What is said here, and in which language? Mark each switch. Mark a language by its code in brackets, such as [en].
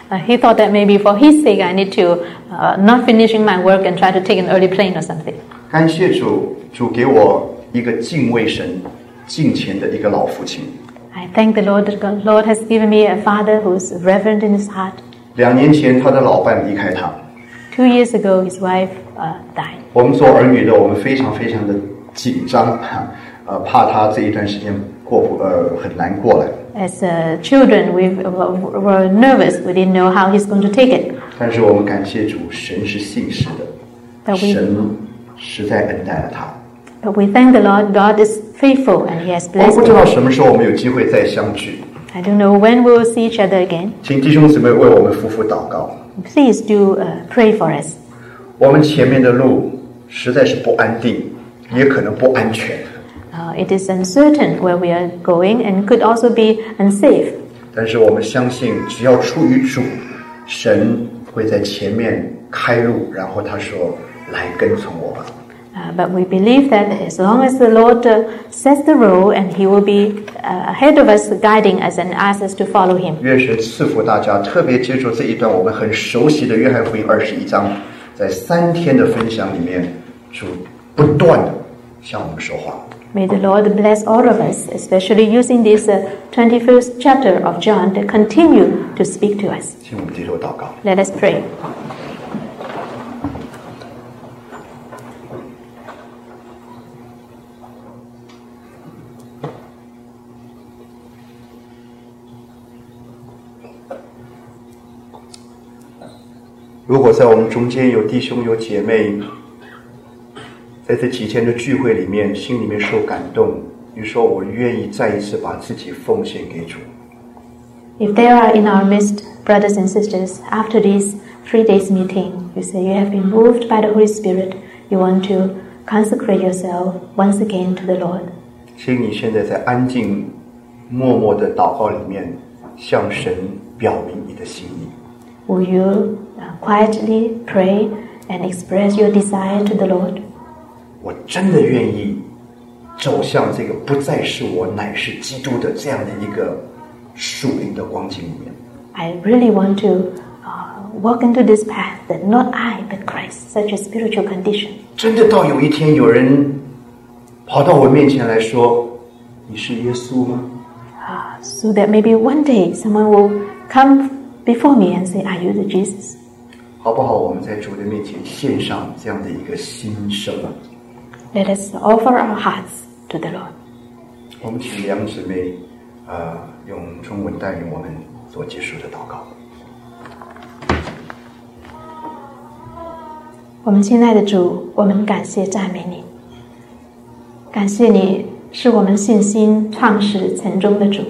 [en] He thought that maybe for his sake I need to not finishing my work and try to take an early plane or something. [zh] 感谢主，主给我一个敬畏神、敬虔的一个老父亲。 [en] I thank the Lord that the Lord has given me a father who is reverent in his heart. [zh] 两年前他的老伴离开他。 [en] 2 years ago, his wife died. [zh] 我们做儿女的，我们非常非常的紧张，怕他这一段时间过不很难过来。 [en] As children, we were nervous. We didn't know how he's going to take it. [zh] 但是我们感谢主，神是信实的，神实在恩待了他。 [en] But we thank the Lord. God is faithful, and He has blessed us. [zh] 我不知道什么时候我们有机会再相聚。 [en] I don't know when we will see each other again. [zh] 请弟兄姊妹为我们夫妇祷告。 [en] Please do pray for us. [zh] 我们前面的路实在是不安定，也可能不安全。 [en] It is uncertain where we are going, and could also be unsafe. [zh] 但是我们相信，只要出于主，神会在前面开路，然后他说：“来跟从我吧。” [en] But we believe that as long as the Lord sets the road, and He will be ahead of us, guiding us and ask us to follow Him. [zh] 愿神赐福大家，特别接触这一段我们很熟悉的约翰福音21章，在三天的分享里面，主不断的向我们说话。 [en] May the Lord bless all of us, especially using this 21st chapter of John to continue to speak to us. [zh] 请我们低头祷告。 [en] Let us pray. [zh] 如果在我们中间有弟兄有姐妹，在这几天的聚会里面，心里面受感动，你说我愿意再一次把自己奉献给主。 [en] If there are in our midst brothers and sisters, after this 3 days meeting, you say you have been moved by the Holy Spirit, you want to consecrate yourself once again to the Lord. [zh] 请你现在在安静、默默的祷告里面，向神表明你的心意。 [en] Will you quietly pray and express your desire to the Lord? [zh] 我真的愿意走向这个不再是我乃是基督的这样的一个属灵的光景里面。 [en] I really want to walk into this path that not I but Christ, such a spiritual condition. [zh] 真的到有一天有人跑到我面前来说，你是耶稣吗？ [en] So that maybe one day someone will come before me and say, "Are you the Jesus?" [zh] 好不好？我们在主的面前献上这样的一个心声。 [en] Let us offer our hearts to the Lord. [zh] 我们请梁姊妹，用中文带领我们做结束的祷告。我们亲爱的主，我们感谢赞美你，感谢你是我们信心创始成终的主。